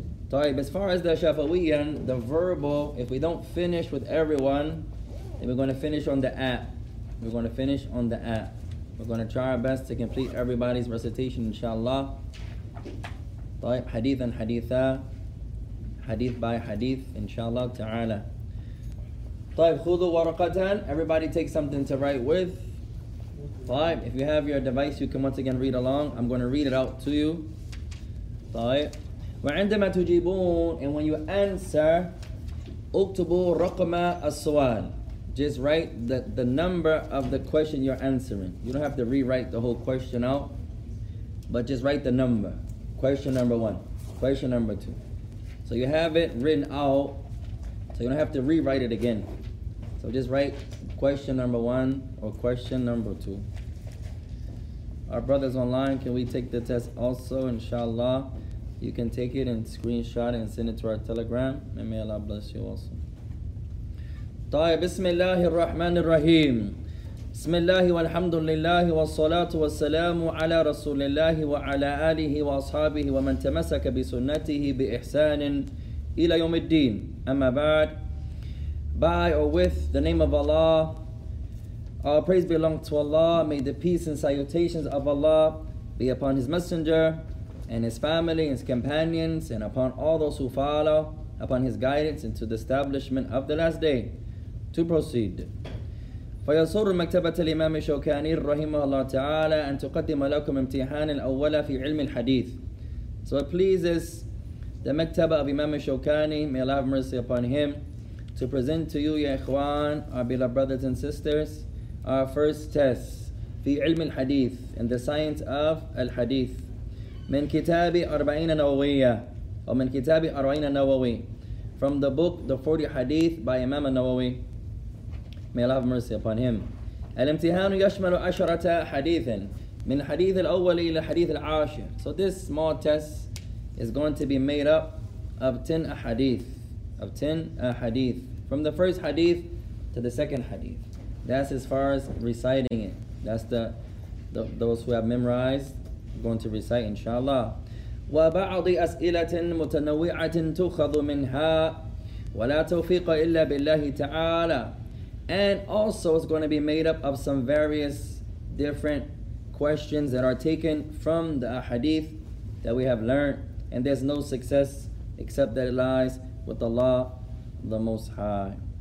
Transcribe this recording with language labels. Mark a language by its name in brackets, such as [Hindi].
[Arabic] طيب, [English] as far as the Shafawiyyan, the verbal, if we don't finish with everyone, then we're going to finish on the app. We're going to finish on the app. We're going to try our best to complete everybody's recitation, inshallah. [Arabic] طيب, حديثا حديثا, حديث [English] by [Arabic] حديث, inshallah ta'ala. طيب, خذوا ورقتان. [English] Everybody take something to write with. [Arabic] طيب, [English] if you have your device, you can once again read along. I'm going to read it out to you. [Arabic] طيب. وعندما تجيبون, [English] and when you answer, [Arabic] اكتبوا رقم السؤال. [English] Just write the number of the question you're answering. You don't have to rewrite the whole question out, but just write the number. Question number one, question number two. So you have it written out, so you don't have to rewrite it again. So just write question number one or question number two. Our brothers online, can we take the test also, inshallah? You can take it and screenshot it and send it to our Telegram. And may Allah bless you also. [Arabic] طيب, بسم الله الرحمن الرحيم. بسم الله والحمد لله والصلاة والسلام على رسول الله وعلى آله وأصحابه ومن تمسك بسنته بإحسان إلى يوم الدين. أما بعد, [English] by or with the name of Allah, our praise belongs to Allah. May the peace and salutations of Allah be upon His Messenger and His family, His companions, and upon all those who follow, upon His guidance into the establishment of the last day. To proceed. [Arabic] فيسر مكتبة الإمام الشوكاني رحمه الله تعالى أن تقدم لكم امتحان الأول في علم الحديث. [English] So it pleases the Maktaba of Imam al-Shawkani, may Allah have mercy upon him, to present to you, [Arabic] يا إخوان, [English] our beloved brothers and sisters, our first test [Arabic] في علم الحديث, [English] in the science of الحديث. [Arabic] من كتاب أربعين نووية, [English] or [Arabic] من كتاب أربعين نووي, [English] from the book The 40 Hadith by Imam al-Nawawi. May Allah have mercy upon him. [Arabic] الامتحان يشمل عشرة حديث من حديث الأول إلى حديث العاشر. [English] So this small test is going to be made up of 10 hadith. Of 10 hadith. From the first hadith to the second hadith. That's as far as reciting it. That's those who have memorized going to recite, inshallah. [Arabic] وبعض أسئلة متنوعة تُخذ منها ولا توفيق إلا بالله تعالى. [English] And also it's going to be made up of some various different questions that are taken from the hadith that we have learned. And there's no success except that it lies with Allah, the Most High.